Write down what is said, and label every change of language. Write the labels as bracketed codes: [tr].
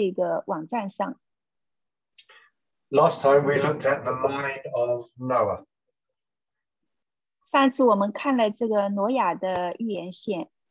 [zh] 如果你们有什么问题，你们直接的把邮件写到这个网站上。 [en] Last time we looked at the line of Noah. [zh] 上次我们看了这个挪亚的预言线。